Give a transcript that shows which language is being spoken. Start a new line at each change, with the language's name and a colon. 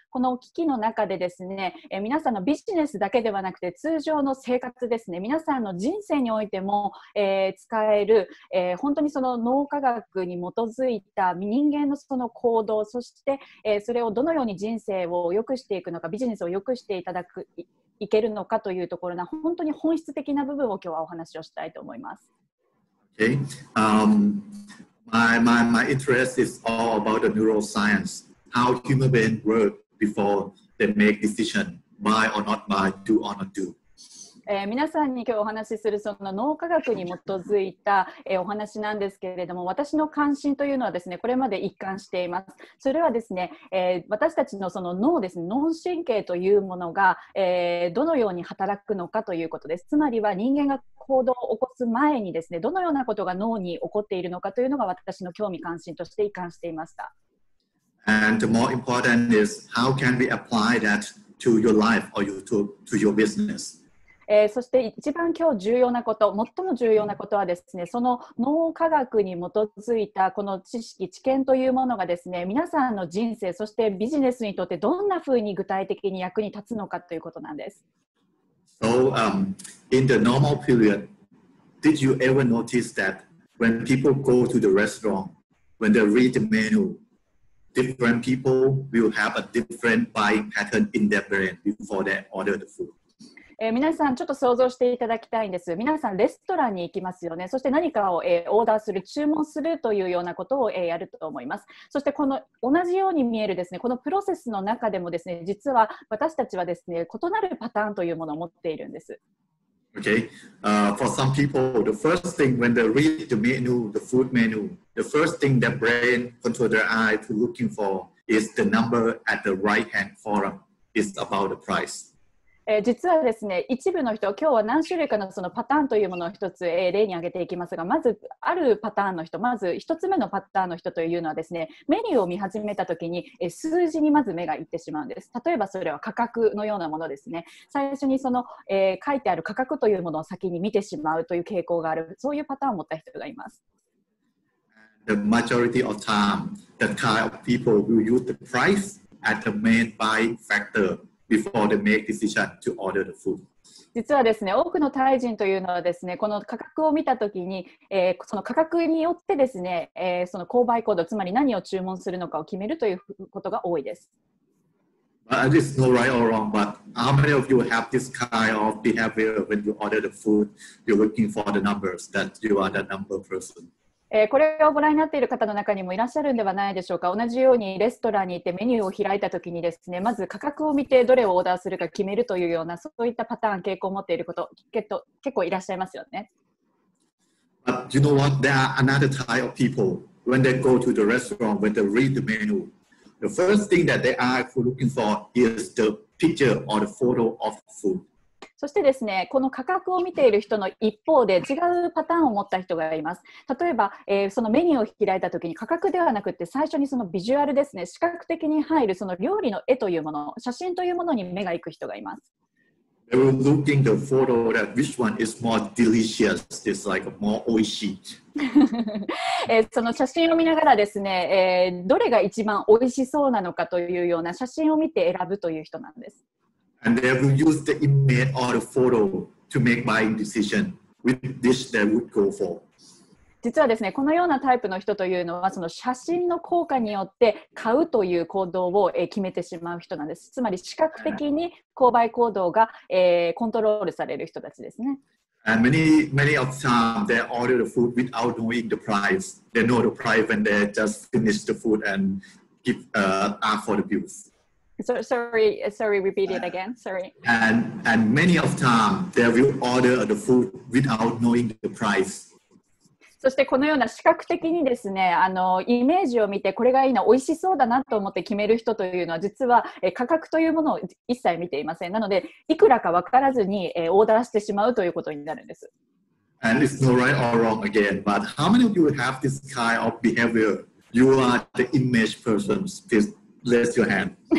Japanese: この機器の中でですね、皆さんのビジネスだけではなくて通常の生活ですね、皆さんの人生においても、使える、本当にその脳科学に基づいた人間のその行動、そして、それをどのように人生を良くしていくのか、ビジネスを良くしていただくいけるのかというところな、本当に本質的な部分を今日はお話をしたいと思います。
English: Okay. My interest is all about the neuroscience, how human beings work before they make decision, buy or not buy, do or not do.
Japanese: 皆さんに今日お話しするその脳科学に基づいた、お話なんですけれども、私の関心というのはですね、これまで一貫しています。それはですね、私たちのその脳ですね、脳神経というものが、どのように働くのかということです。つまりは人間が行動を起こす前にですね、どのようなことが脳に起こっているのかというのが私の興味関心として一貫していました。
English: And the more important is how can we apply that to your life or to your business
Japanese: そして一番今日重要なこと、最も重要なことはですね、その脳科学に基づいたこの知識、知見というものがですね、皆さんの人生、そしてビジネスにとってどんなふうに具体的に役に立つのかということなんです。
English: So, in the normal period, did you ever notice that when people go to the restaurant, when they read the menu, different people will have a different buying pattern in their brain before they order the food?
Japanese: 皆さんちょっと想像していただきたいんです。皆さんレストランに行きますよね。そして何かを、オーダーする、注文するというようなことを、やると思います。そしてこの同じように見えるですね、このプロセスの中でもですね、実は私たちはですね、異なるパターンというものを持っているんです。
English: Okay. For some people, the first thing when they read the menu, the food menu, the first thing their brain control their eye to looking for is the number at the right hand forum. It's about the price.
Japanese: 実はですね、一部の人、今日は何種類かのそのパターンというものを一つ、例に挙げていきますが、まずあるパターンの人、まず一つ目のパターンの人というのはですね、メニューを見始めたときに、数字にまず目がいってしまうんです。例えばそれは価格のようなものですね。最初にその、書いてある価格というものを先に見てしまうという傾向がある、そういうパターンを持った人がいます。
English: The majority of time, that kind of people will use the price as the main buying factorBefore they make decision to order the food.
Japanese: 実はですね、多くのタイ人というのはですね、この価格を見たときに、その価格によってですね、その購買行動、つまり何を注文するのかを決めるということが多いです。
English: It's no right or wrong, but how many of you have this kind of behavior when you order the food, you're looking for the numbers, that you are the number person?
Japanese: これをご覧になっている方の中にもいらっしゃるんではないでしょうか。同じようにレストランに行ってメニューを開いたときにですね、まず価格を見てどれをオーダーするか決めるというような、そういったパターン、傾向を持っていること、結構いらっしゃいますよね。
English: But you know what? There are another type of people. When they go to the restaurant, when they read the menu, the first thing that they are looking for is the picture or the photo of the food.
Japanese: そしてですね、この価格を見ている人の一方で違うパターンを持った人がいます。例えば、そのメニューを開いたときに価格ではなくて最初にそのビジュアルですね、視覚的に入るその料理の絵というもの、写真というものに目が行く人がいます。
English: They were looking the photo that which one is more delicious, it's like more oishi.
Japanese: その写真を見ながらですね、どれが一番おいしそうなのかというような写真を見て選ぶという人なんです。
English: And they will use the image or the photo to make buying decision with dish they would go for.
Japanese: 実はですね、このようなタイプの人というのは、その写真の効果によって買うという行動を決めてしまう人なんです。つまり視覚的に購買行動が、コントロールされる人たちですね。
English: And many of the time they order the food without knowing the price. They know the price when they just finish the food and give ask for the bills. And many of time they will order the food without knowing the price.
Japanese: そしてこのような視覚的にですね、イメージを見てこれがいいな、美味しそうだなと思って決める人というのは実は価格というものを一切見ていません。なのでいくらか分からずにオーダーしてしまうということになるんです。
English: And it's no right or wrong again, but how many of you have this kind of behavior? You are the image person. Please.Raise your hand.